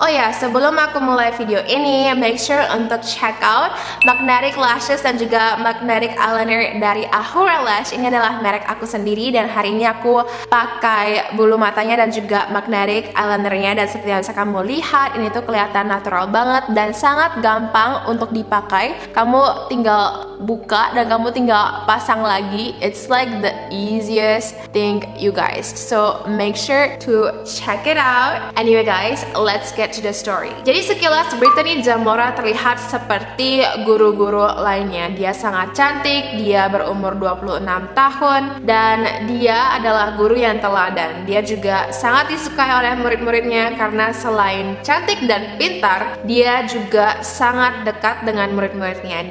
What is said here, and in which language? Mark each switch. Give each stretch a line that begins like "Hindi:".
Indonesian: Oh ya, sebelum aku mulai video ini,
English: make sure
Indonesian: untuk
English: check out
Indonesian: Magnetic Lashes dan juga Magnetic Eyeliner dari Ahura Lash. Ini adalah merek aku sendiri dan hari ini aku pakai bulu matanya dan juga Magnetic Eyeliner-nya. Dan seperti yang bisa kamu lihat, ini tuh kelihatan natural banget dan sangat gampang untuk dipakai. Kamu tinggal buka dan kamu tinggal pasang lagi.
English: It's like the easiest thing, you guys. So make sure to check it out. Anyway guys, let's get to the story.
Indonesian: Jadi sekilas Brittany Zamora terlihat seperti guru-guru lainnya. Dia sangat cantik, dia berumur 26 tahun dan dia adalah guru yang teladan. Dia juga sangat disukai oleh murid-muridnya karena selain cantik dan pintar, dia juga sangat dekat dengan murid-muridnya.